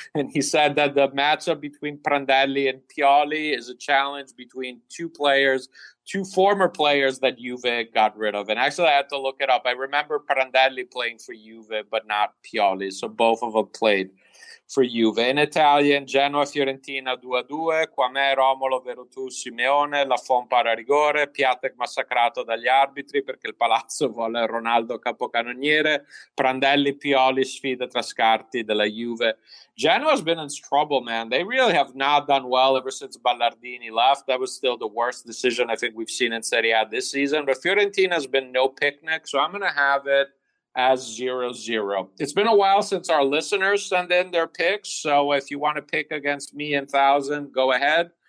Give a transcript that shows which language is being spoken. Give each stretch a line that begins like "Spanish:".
English: And he said that the matchup between Prandelli and Pioli is a challenge between two players, two former players that Juve got rid of. And actually, I had to look it up. I remember Prandelli playing for Juve, but not Pioli. So both of them played for Juve. In Italian, Genoa, Fiorentina, 2-2.
Italian: Kwame, Romolo, Virtù, Simeone, Lafont para rigore, Piatek massacrato dagli arbitri perché il Palazzo vuole Ronaldo capocannoniere, Prandelli, Pioli, sfida tra scarti della Juve.
English: Genoa's been in trouble, man. They really have not done well ever since Ballardini left. That was still the worst decision I think we've seen in Serie A this season. But Fiorentina's been no picnic, so I'm going to have it as 0-0. It's been a while since our listeners sent in their picks, so if you want to pick against me and 1,000, go ahead.